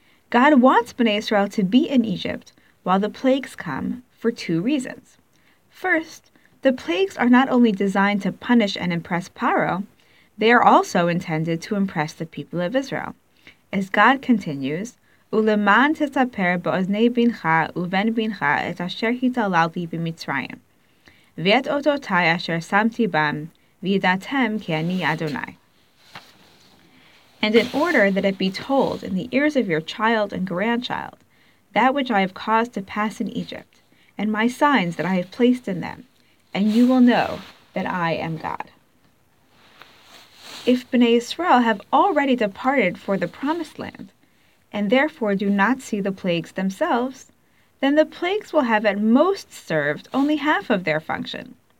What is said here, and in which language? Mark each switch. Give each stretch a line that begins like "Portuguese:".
English: God wants Bnei Yisrael to be in Egypt while the plagues come for two reasons. First, the plagues are not only designed to punish and impress Pharaoh, they are also intended to impress the people of Israel. As God continues,
Hebrew: ולמען תספר באוזני בנך ובן בנך את אשר התעללתי במצרים, ואת אותותי אשר שמתי בם, וידעתם כי אני אדוני.
English: And in order that it be told in the ears of your child and grandchild, that which I have caused to pass in Egypt, and my signs that I have placed in them, and you will know that I am God. If Bnei Israel have already departed for the promised land, and therefore do not see the plagues themselves, then the plagues will have at most served only half of their function.